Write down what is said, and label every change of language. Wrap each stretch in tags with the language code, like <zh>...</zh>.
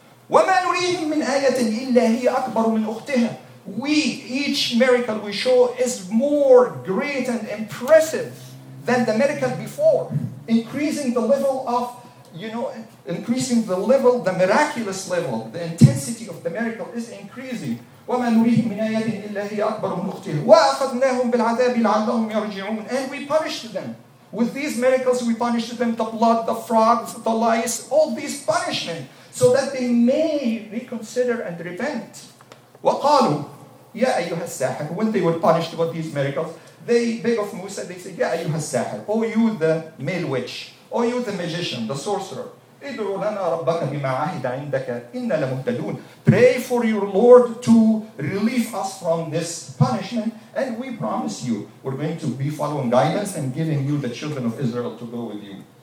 <ar>وَمَا نُرِيهِمْ مِنْ آيَةٍ إِلَّا هِيَ أَكْبَرُ مِنْ أُخْتِهَا,</ar> <en>we, each miracle we show is more great and impressive than the miracle before, increasing the level of, you know, increasing the level, the miraculous level, the intensity of the miracle is increasing.</en> <ar>وَمَا نُرِيهِمْ مِنْ آيَةٍ إِلَّا هِيَ أَكْبَرُ مِنْ أُخْتِهَا وَأَخَذْنَاهُمْ بِالْعَذَابِ لَعَلَّهُمْ يَرْجِعُونَ,</ar> <en>and we punished them. With these miracles, we punished them, the blood, the frogs, the lice, all these punishments, so that they may reconsider and repent.</en> <ar>وَقَالُوا يَا أَيُّهَا السَّاحِرُ,</ar> <en>when they were punished with these miracles, they beg of Musa, they say,</en> <ar>يَا أَيُّهَا السَّاحِرُ,</ar> <en>O you the male witch, O you the magician, the sorcerer,</en> <ar>إِدْعُوا لَنَا رَبَّكَ بِمَا عَهِدَ عِنْدَكَ إِنَّا لَمُهْتَدُونَ,</ar> <en>pray for your Lord to relieve us from this punishment, and we promise you, we're going to be following guidance and giving you the children of Israel to go with you.</en>